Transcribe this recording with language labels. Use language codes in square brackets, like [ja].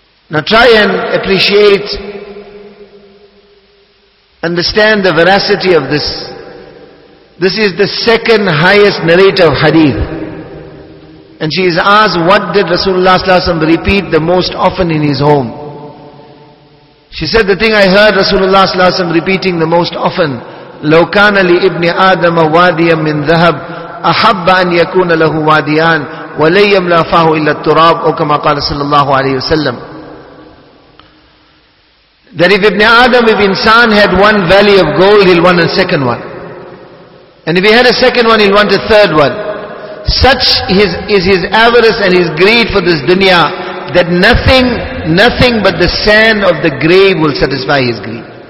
[en] Now try and appreciate, understand the veracity of this. This is the second highest narrator of hadith. And she is asked, what did Rasulullah sallallahu alayhi wa sallam repeat the most often in his home? She said, the thing I heard Rasulullah sallallahu alayhi wa sallam repeating the most often, [ar] لَوْ كَانَ لِإِبْنِ آدَمَ وَادِيًا مِّن ذَهَبٍ أَحَبَّ أَنْ يَكُونَ لَهُ وَادِيًا وَلَيَّمْ لَا فَاهُ إِلَّا التُّرَابِ أَوْ كَمَا قَالَ صَلَّى اللَّهُ عَلَيْهِ وَسَلَّمْ. [en] That if Ibn Adam, if insan had one valley of gold, he'll want a second one. And if he had a second one, he'll want a third one. Such is his avarice and his greed for this dunya, that nothing but the sand of the grave will satisfy his greed.